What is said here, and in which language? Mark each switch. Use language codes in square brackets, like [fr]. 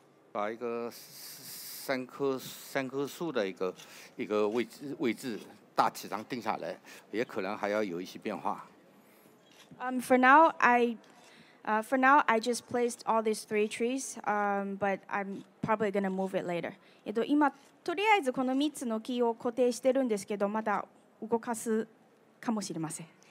[zh] 把一个三棵树的一个位置。大体上定下来，也可能还要有一些变化。 [en] For now, I just placed all these three trees. But I'm probably gonna move it later. [ja] 今とりあえずこの三つの木を固定してるんですけど、まだ動かすかもしれません。